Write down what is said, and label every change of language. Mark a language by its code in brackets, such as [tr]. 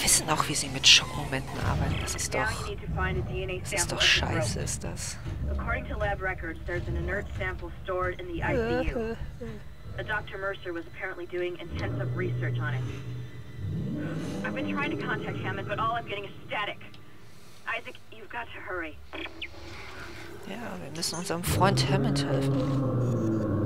[de] Auch wie sie mit Schockmomenten arbeiten, das ist doch. Das ist doch scheiße, ist das. [en] According to lab records, there's an inert sample stored in the ICU. A Dr. Mercer was apparently doing intensive research on it. I've been trying to contact Hammond, but all I'm getting is static. Isaac, you've got to hurry. [de] Ja, wir müssen unserem Freund Hammond helfen.